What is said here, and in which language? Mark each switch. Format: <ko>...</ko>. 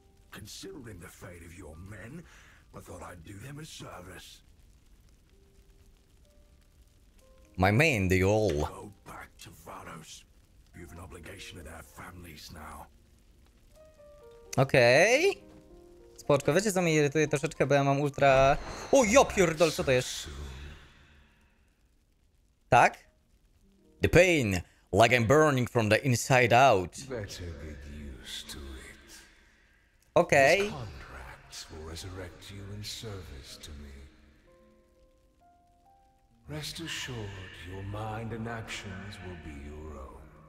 <en>Considering the fate of your men, I thought I'd do them a service. My men, they all. Go back to Varos. You have an obligation to their families now. Okay.</en> <pl>Spoczko, wiecie co mnie irytuje troszeczkę, bo ja mam ultra... O, ja pierdol, co to jest? Tak?</pl> <en>The pain, like I'm burning from the inside out. Better get used to it. Okej. Contracts will resurrect you in service to me. Rest assured, your mind and actions will be your own.</en>